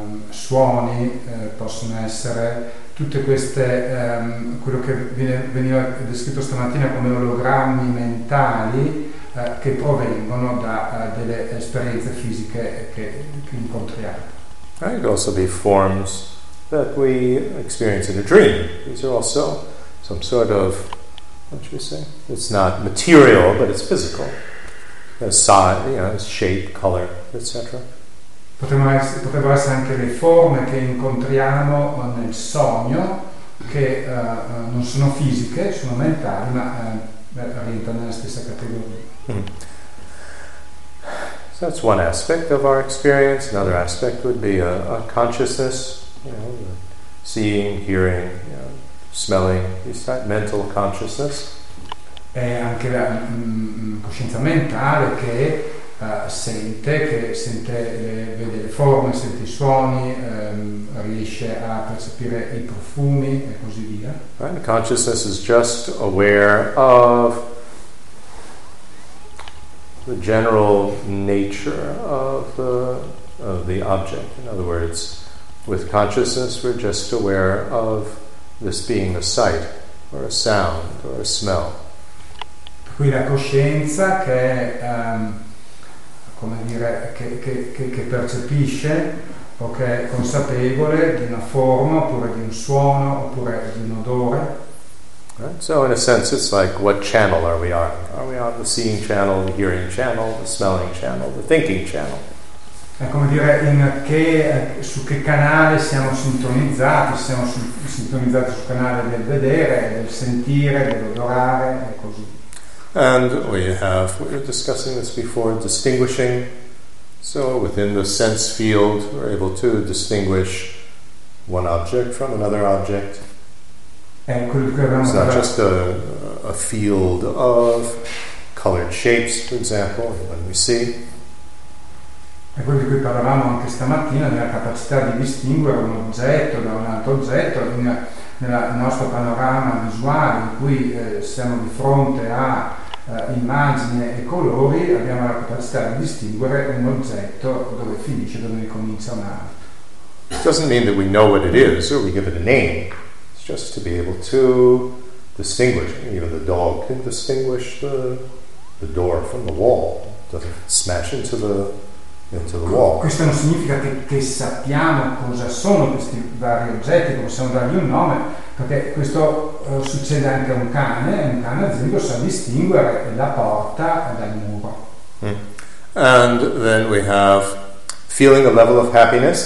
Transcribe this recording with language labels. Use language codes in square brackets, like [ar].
[it] suoni, possono essere tutte queste, quello che veniva descritto stamattina come ologrammi mentali, che provengono da delle esperienze fisiche che incontriamo. [en] It could also be forms that we experience in a dream. These are also some sort of, what should we say? It's not material, but it's physical. As size, you know, as shape, color, etc. [it] Potrebbero essere anche le forme che incontriamo nel sogno, che non sono fisiche, sono mentali, ma rientrano nella stessa categoria. [en] So that's one aspect of our experience. Another aspect would be a consciousness, you know, seeing, hearing, you know, smelling, is that mental consciousness? [it] È anche la coscienza mentale che vede le forme, sente i suoni, riesce a percepire i profumi e così via. [en] Right, and consciousness is just aware of the general nature of the object. In other words, with consciousness we're just aware of this being a sight or a sound or a smell. [it] Per cui la coscienza che come dire, che percepisce o che è consapevole di una forma oppure di un suono oppure di un odore. [en] Right. So in a sense it's like what channel are we on? Are we on the seeing channel, the hearing channel, the smelling channel, the thinking channel? [it] È come dire su che canale siamo sintonizzati, siamo sintonizzati sul canale del vedere, del sentire, dell'odorare e così. [en] And we were discussing this before, distinguishing. So within the sense field we're able to distinguish one object from another object. It's not just a field of colored shapes, for example, when we see. [it] È quello di cui parlavamo anche stamattina, nella capacità di distinguere un oggetto da un altro oggetto, nel nostro panorama visuale in cui siamo di fronte a immagini e colori, abbiamo la capacità di distinguere un oggetto dove finisce, dove comincia un altro. [en] It doesn't mean that we know what it is or we give it a name. Just to be able to distinguish, even the dog can distinguish the door from the wall. Doesn't smash into the wall. [it] Questo non significa che sappiamo cosa sono questi vari oggetti, possiamo dargli un nome, perché questo succede anche a un cane. Un cane, ad esempio, sa distinguere la porta dal muro. [en] And then we have feeling a level of happiness.